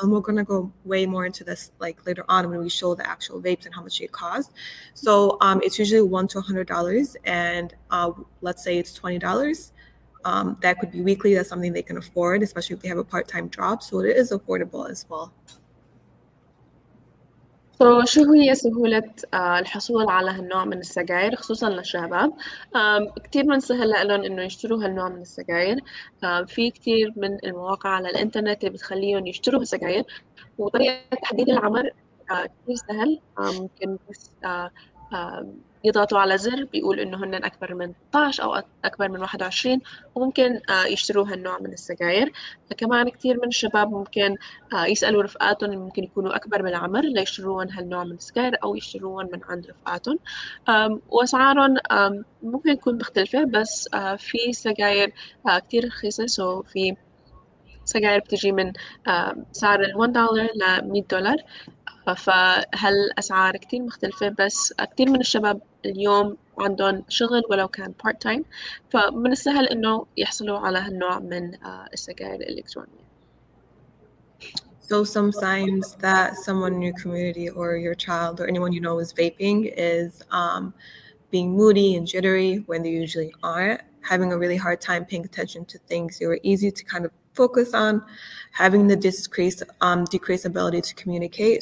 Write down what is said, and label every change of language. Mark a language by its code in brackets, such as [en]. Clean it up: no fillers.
[en] And we're going to go way more into this like later on when we show the actual vapes and how much it costs. So it's usually $1 to $100. And let's say it's $20. That could be weekly. That's something they can afford, especially if they have a part-time job. So it is affordable as well. [ar] So, شو هي سهولة الحصول على هالنوع من السجائر خصوصا للشباب؟ كتير من سهل لهم إنه يشتروا هالنوع من السجائر. في كتير من المواقع على الإنترنت اللي بتخليهم يشتروا السجائر. وطريقة تحديد العمر كتير سهل. ممكن بس يضغطوا على زر بيقول إنه هن أكبر من 18 أو أكبر من 21 وممكن يشتروا هالنوع من السجائر. كمان كتير من الشباب ممكن يسألوا رفقاتهم اللي ممكن يكونوا أكبر من العمر ليشترون هالنوع من السجائر أو يشترون من عند رفقاتهم. وأسعارهم ممكن تكون مختلفة، بس في سجائر كتير رخيصة. سو في سجائر بتجي من سعر ال $1 ل $100، فهالأسعار كتير مختلفة. بس كتير من الشباب اليوم عندهم شغل ولو كان part-time، فمن السهل إنه يحصلوا على هالنوع من السجائر الإلكترونية. [en] So some signs that someone in your community or your child or anyone you know is vaping is being moody and jittery when they usually aren't, having a really hard time paying attention to things that are easy to kind of focus on, having the decreased ability to communicate.